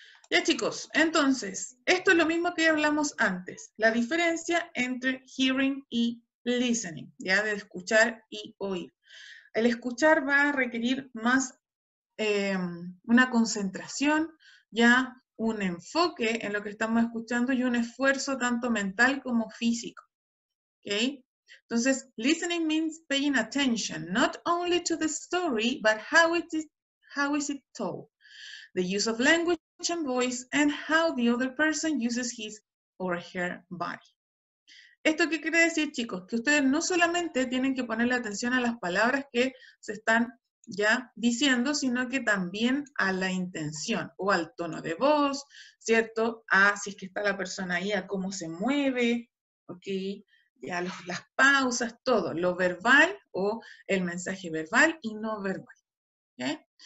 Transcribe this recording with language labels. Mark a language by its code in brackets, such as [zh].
[es] Ya, chicos, entonces, esto es lo mismo que hablamos antes, la diferencia entre hearing y listening, ¿ya? De escuchar y oír. El escuchar va a requerir más una concentración, ¿ya? Un enfoque en lo que estamos escuchando y un esfuerzo tanto mental como físico. ¿Okay? [en] Entonces, listening means paying attention, not only to the story, but how is it told, the use of language and voice, and how the other person uses his or her body. [es] ¿Esto qué quiere decir, chicos? Que ustedes no solamente tienen que ponerle atención a las palabras que se están ya diciendo, sino que también a la intención o al tono de voz, ¿cierto? A si es que está la persona ahí, a cómo se mueve, ¿ok? Y a las pausas, todo, lo verbal o el mensaje verbal y no verbal, ¿ok?